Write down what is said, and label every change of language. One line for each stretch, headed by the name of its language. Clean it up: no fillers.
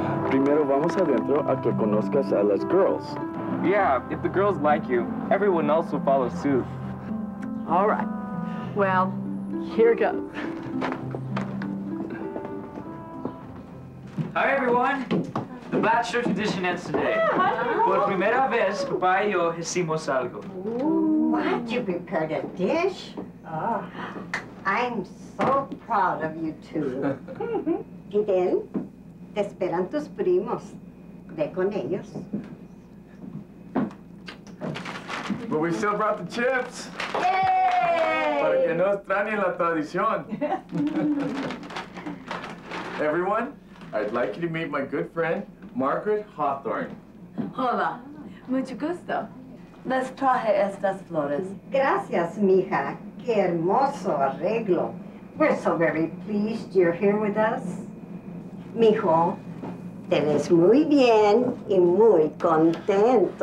Spanish: Primero vamos adentro a que conozcas a las girls.
English: Yeah, if the girls like you, everyone else will follow suit. All right. Well, here goes. Hi, everyone. The bachelor tradition ends today.
Spanish: Por primera vez, papá y yo hicimos algo.
English: What? You prepared a dish? Oh. I'm so proud of you two.
Spanish: Y
English: then,
Spanish: te esperan tus primos. Ve con ellos.
English: But we still brought the chips. Yay!
Spanish: Para que no extrañen la tradición.
English: Everyone, I'd like you to meet my good friend, Margaret Hawthorne.
Spanish: Hola. Mucho gusto. Les traje estas flores. Gracias, mija. Qué hermoso arreglo.
English: We're so very pleased you're here with us.
Spanish: Mijo, te ves muy bien y muy contento.